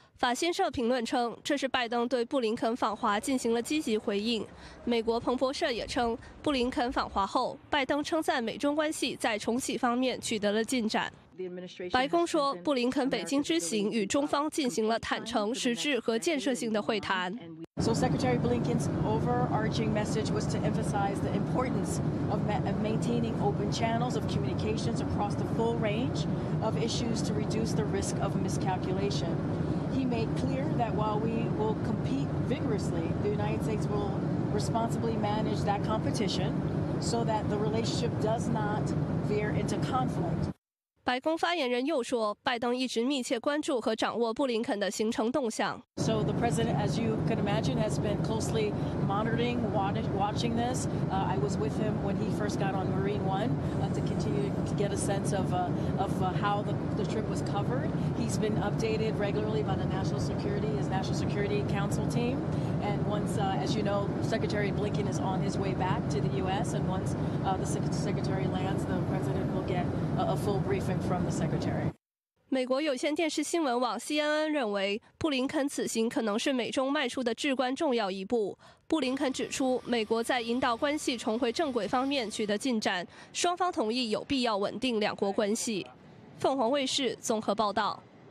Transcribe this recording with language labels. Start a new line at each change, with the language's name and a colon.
Chinese: 法新社评论称，这是拜登对布林肯访华进行了积极回应。美国彭博社也称，布林肯访华后，拜登称赞美中关系在重启方面取得了进展。白宫说，布林肯北京之行与中方进行了坦诚、实质和建设性的会谈。
English: So Secretary Blinken's overarching message was to emphasize the importance of maintaining open channels of communications across the full range of issues to reduce the risk of miscalculation. He made clear that while we will compete vigorously, the United States will responsibly manage that competition so that the relationship does not veer into conflict.
Chinese: 白宫发言人又说，拜登一直密切关注和掌握布林肯的行程动向。
English: So the president, as you can imagine, has been closely monitoring, watching this. I was with him when he first got on Marine One, to continue to get a sense of how the trip was covered. He's been updated regularly by his National Security Council team. And once, as you know, Secretary Blinken is on his way back to the U.S. And once the secretary lands, the president will get a full briefing. From the secretary.
Chinese: 美国有线电视新闻网 CNN 认为，布林肯此行可能是美中迈出的至关重要一步。布林肯指出，美国在引导关系重回正轨方面取得进展，双方同意有必要稳定两国关系。凤凰卫视综合报道。